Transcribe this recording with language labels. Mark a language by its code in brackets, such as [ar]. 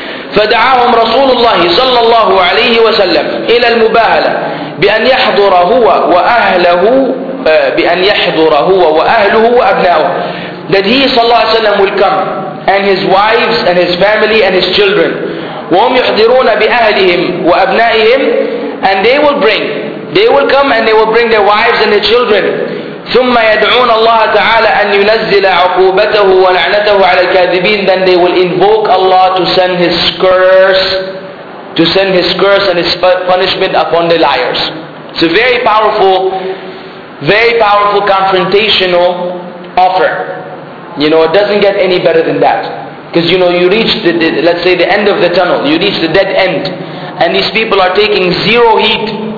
[ar] فَدَعَاهُمْ رَسُولُ اللَّهِ صَلَّى اللَّهُ عَلَيْهِ وَسَلَّمْ إِلَى الْمُبَاهَلَةِ بِأَنْ يَحْضُرَ هُوَ وَأَهْلَهُ بِأَنْ يَحْضُرَ هُوَ وَأَهْلُهُ وَأَبْنَاهُ. [en] That he [ar] صلى الله عليه وسلم [en] will come, and his wives and his family and his children. [ar] وَهُمْ يُحْضِرُونَ بِأَهْلِهِمْ وَأَبْنَائِهِمْ. [en] And they will bring, they will come and they will bring their wives and their children. [ar] ثم يدعون الله تعالى أن ينزل عقوبته ولعنته على الكاذبين. [en] Then they will invoke Allah to send His curse, to send His curse and His punishment upon the liars. It's a very powerful, very powerful confrontational offer. You know, it doesn't get any better than that, because you know, you reach the let's say the end of the tunnel, you reach the dead end, and these people are taking zero heed.